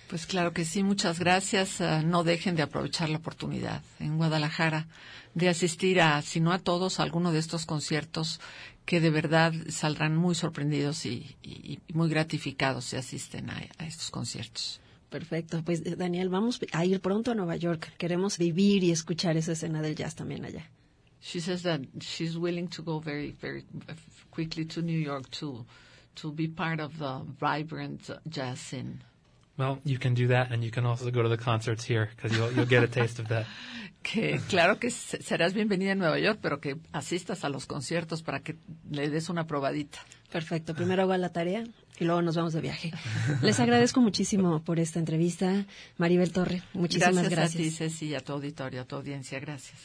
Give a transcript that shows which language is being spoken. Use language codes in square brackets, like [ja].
[es] Pues claro que sí, muchas gracias. No dejen de aprovechar la oportunidad en Guadalajara de asistir a, si no a todos, a alguno de estos conciertos que de verdad saldrán muy sorprendidos y muy gratificados si asisten a estos conciertos. Perfecto. Pues, Daniel, vamos a ir pronto a Nueva York. Queremos vivir y escuchar esa escena del jazz también allá. [en] She says that she's willing to go very, very quickly to New York to be part of the vibrant jazz scene. Well, you can do that, and you can also go to the concerts here, because you'll get a taste of that. [es] Que claro que serás bienvenida a Nueva York, pero que asistas a los conciertos para que le des una probadita. Perfecto. Primero hago la tarea y luego nos vamos de viaje. Les agradezco muchísimo por esta entrevista. Maribel Torre, muchísimas gracias. Gracias a ti, Ceci, y a tu auditorio, a tu audiencia. Gracias.